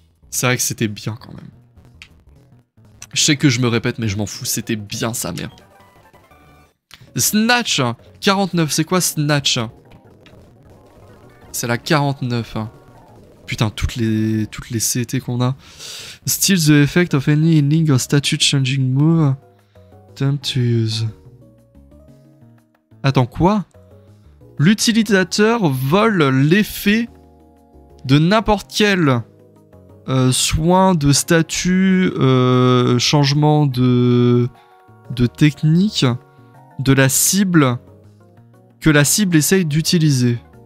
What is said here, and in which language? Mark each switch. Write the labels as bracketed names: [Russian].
[French] C'est vrai que c'était bien quand même. Je sais que je me répète, mais je m'en fous. C'était bien sa mère. Snatch 49, c'est quoi Snatch? C'est la 49. Hein. Putain, toutes les CET qu'on a. [English] Still the effect of any healing or statue changing move. Time to use. [French] Attends, quoi? L'utilisateur vole l'effet de n'importe quel... soin de statut, changement de technique de la cible que la cible essaye d'utiliser.